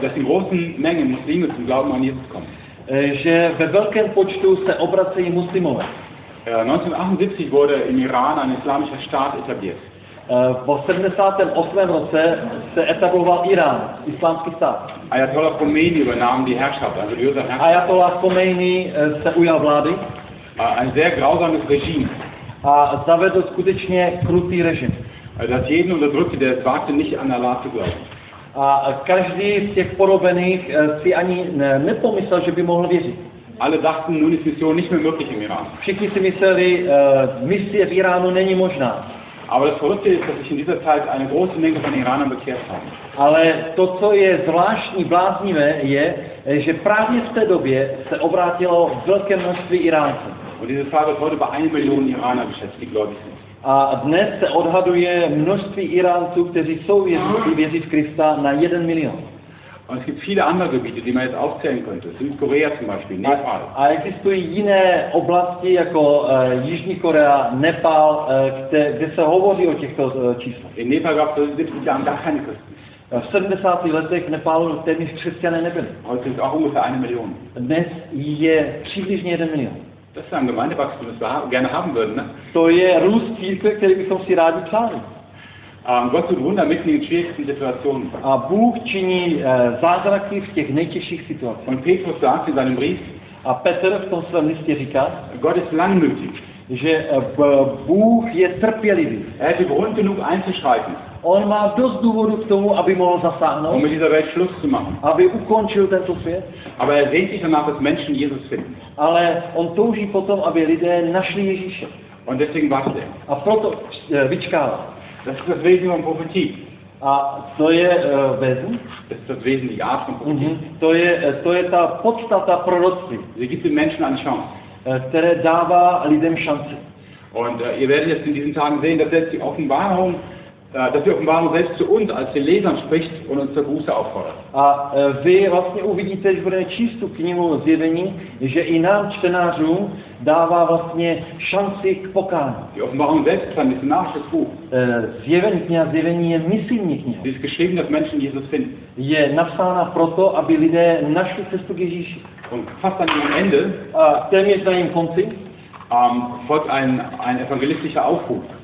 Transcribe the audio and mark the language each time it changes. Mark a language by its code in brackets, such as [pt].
[de] dass in großen Mengen Muslime zum Glauben an Jesus kommen. [cs] Že ve velkém počtu se obracejí muslimové. [de] 1978 wurde in Iran ein islamischer Staat etabliert. [cs] V 78. roce se etabloval Irán, islámský stát. [de] Ayatollah Khomeini übernahm die Herrschaft, also die Herrschaft. [cs] Ayatollah Khomeini se ujal vlády. [de] Ein sehr grausames Regime. [cs] A zavedl skutečně krutý režim. [de] Dass jeden unterdrückte, der wagte nicht an Allah zu glauben. [cs] A každý z těch porobených si ani nepomyslel, že by mohl věřit. [de] Alle dachten, nun ist Mission nicht mehr möglich im Iran. [cs] Všichni si mysleli, misie v Iránu není možná. [de] Aber das Verrückte ist, dass sich in dieser Zeit eine große Menge von Iranern bekehrt haben. [cs] Ale to, co je zvláštní, bláznivé, je, že právě v té době se obrátilo velké množství Iránců. [de] Und diese Zahl wird heute bei 1 Million Iraner geschätzt, die gläubig sind. [cs] A dnes se odhaduje množství Iránců, kteří jsou věří v Krista, na 1 milion. [de] Und es gibt viele andere Gebiete, die man jetzt aufzählen könnte. Südkorea zum Beispiel, Nepal. [cs] A existují jiné oblasti, jako Jižní Korea, Nepal, kde se hovoří o těchto číslech. [de] In Nepal gab es 70 Jahren gar keine Christen. [cs] V 70. letech Nepálu téměř křesťané nebyli. [de] Heute ist auch ungefähr 1 Million. [cs] Dnes je přibližně 1 milion. [de] Das ist ein Gemeindewachstum, das wir gerne haben würden, ne? [cs] To je růst církve, který bychom si rádi přáli. [de] Gott tut Wunder mitten in schwierigsten Situationen. [cs] A Bůh činí zázraky v těch nejtěžších situacích. [de] Und Petrus sagt in seinem Brief, [cs] a Petr v tom svém listě říká, [de] Gott ist langmütig, [cs] že Bůh je trpělivý. [de] Er hat Grund genug einzuschreiten. [cs] On má dost důvodu k tomu, aby mohl zasáhnout. [de] Um mit dieser Welt Schluss zu machen. [cs] Aby ukončil tento svět. [de] Aber er sehnt sich danach, dass Menschen Jesus finden. [cs] Ale on touží potom, aby lidé našli Ježíše. [de] Und deswegen wartet. [cs] A proto vyčkává. [de] Das ist das Wesen von Prophetie. [cs] A to je Wesen? [de] Das ist das Wesen, die Art von Prophetie. [cs] To je ta podstata proroctví. [de] Sie gibt den Menschen eine Chance. [cs] Které dává lidem šanci. [de] Und ihr werdet jetzt in diesen Tagen sehen, dass jetzt die Offenbarung dass die Offenbarung selbst zu uns als den Lesern spricht und uns zur Buße auffordert. [cs] A vy vlastně uvidíte, když budeme číst tu knihu Zjevení, že i nám čtenářům dává vlastně šanci k pokání. [de] Die Offenbarung selbst ist ein missionarisches Buch. [cs] Zjevení, kniha Zjevení je misijní kniha. [de] Sie ist geschrieben, dass Menschen Jesus finden. [cs] Je napsána proto, aby lidé našli cestu k Ježíši. [de] Und fast an ihrem Ende, [cs] téměř na jejím konci, [de] folgt ein evangelistischer Aufruf.